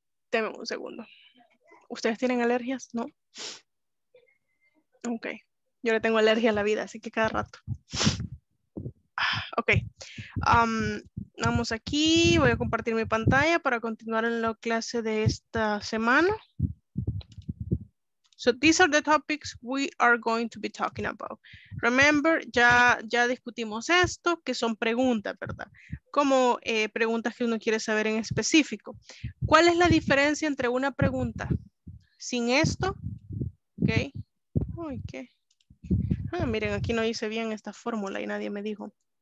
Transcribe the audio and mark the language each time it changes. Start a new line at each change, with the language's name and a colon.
Spanish: Deme un segundo. ¿Ustedes tienen alergias? ¿No? Ok. Yo le tengo alergia a la vida, así que cada rato. Ok. Vamos aquí. Voy a compartir mi pantalla para continuar en la clase de esta semana.
English: So these are the topics we are going to be talking about. Remember,
Spanish: ya discutimos esto, que son preguntas, ¿verdad? Como preguntas que uno quiere saber en específico. ¿Cuál es la diferencia entre una pregunta sin esto? Ok. Uy, okay. ¿Qué? Ah, miren, aquí no hice bien esta fórmula y nadie me dijo.